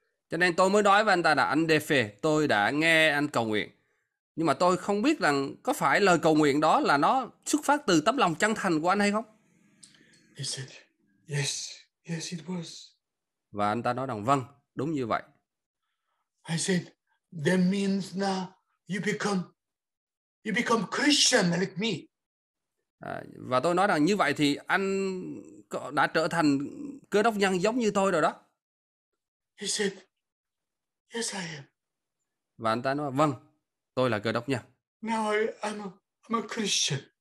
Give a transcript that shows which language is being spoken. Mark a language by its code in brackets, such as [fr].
[vi] Cho nên tôi mới nói với anh ta là anh Duffy, tôi đã nghe anh cầu nguyện, nhưng mà tôi không biết rằng có phải lời cầu nguyện đó là nó xuất phát từ tấm lòng chân thành của anh hay không. [en] He said, yes, it was. [vi] Và anh ta nói rằng, vâng, đúng như vậy. [en] I said, that means now you become Christian like me. [vi] Và tôi nói rằng như vậy thì anh đã trở thành cơ đốc nhân giống như tôi rồi đó. [en] He said, yes, I am. [vi] Và anh ta nói, vâng, tôi là cơ đốc nhân. [en] Now I'm a Christian.